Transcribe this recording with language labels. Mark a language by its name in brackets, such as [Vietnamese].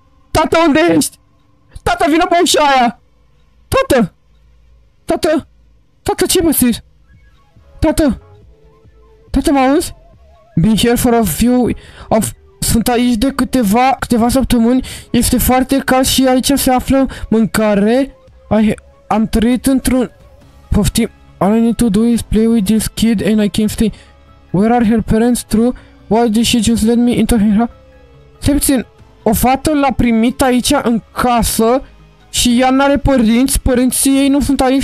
[Romanian] Tată, unde ești? Tată, vină pe ușa aia! Tată! Tată? Tată, ce mă zici? Tată? Tată, mă auzi? [English] Been here for a few... [Romanian] Sunt aici de câteva săptămâni. Este foarte cald și aici se află mâncare. Am trăit într-un... Poftim... [English] All I need to do is play with this kid and I can stay. Where are her parents, true? Why did she just let me into her... [Romanian] Stai puțin. O fată l-a primit aici în casă și ea n-are părinți. Părinții ei nu sunt aici.